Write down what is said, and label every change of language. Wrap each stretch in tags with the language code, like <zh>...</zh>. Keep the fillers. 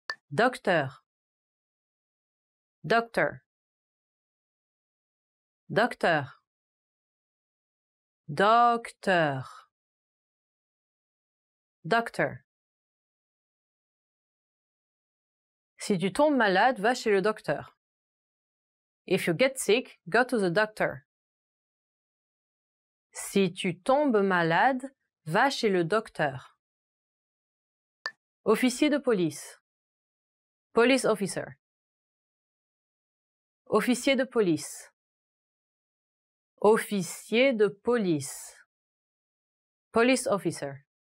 <fr>Docteur. Docteur. Docteur. Docteur. Docteur. Docteur. Si tu tombes malade, va chez le docteur.</fr> <en>If you get sick, go to the doctor.</en> <fr>Si tu tombes malade, va chez le docteur. Officier de police.</fr> <en>Police officer.</en> <fr>Officier de police. Officier de police.</fr> <en>Police officer.</en>